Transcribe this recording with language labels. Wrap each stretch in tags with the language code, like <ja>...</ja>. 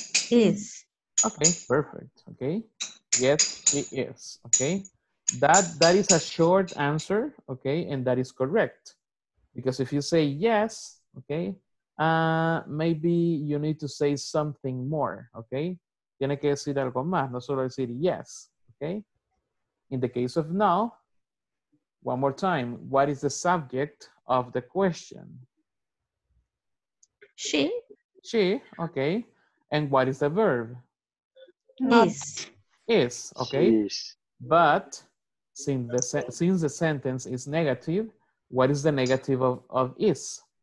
<en>Is. Okay, perfect, okay. Yes, it is, okay? That is a short answer, okay? And that is correct. Because if you say yes, okay? Maybe you need to say something more, okay?</en> <es>Tiene que decir algo más, no solo decir yes, okay?</es> <en>In the case of no, one more time, what is the subject of the question? She. She, okay. And what is the verb? Yes. Is, okay. Sheesh. But since the sentence is negative, what is the negative of is?</en>